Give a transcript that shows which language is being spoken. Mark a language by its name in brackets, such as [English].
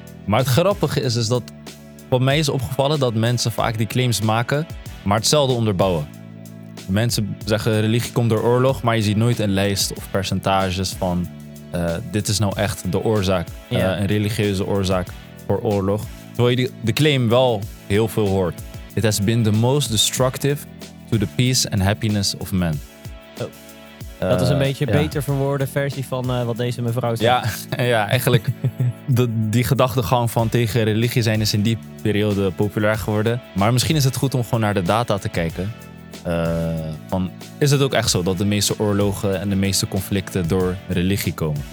[Dutch] Maar het grappige is dat wat mij is opgevallen dat mensen vaak die claims maken, maar hetzelfde onderbouwen. Mensen zeggen religie komt door oorlog, maar je ziet nooit een lijst of percentages van dit is nou echt de oorzaak, een religieuze oorzaak voor oorlog. Terwijl je de claim wel heel veel hoort. [English] It has been the most destructive to the peace and happiness of men. Oh. [Dutch] Dat is een beetje beter verwoorde versie van wat deze mevrouw zegt. Ja, ja, eigenlijk die gedachtegang van tegen religie zijn is in die periode populair geworden. Maar misschien is het goed om gewoon naar de data te kijken. Van, is het ook echt zo dat de meeste oorlogen en de meeste conflicten door religie komen?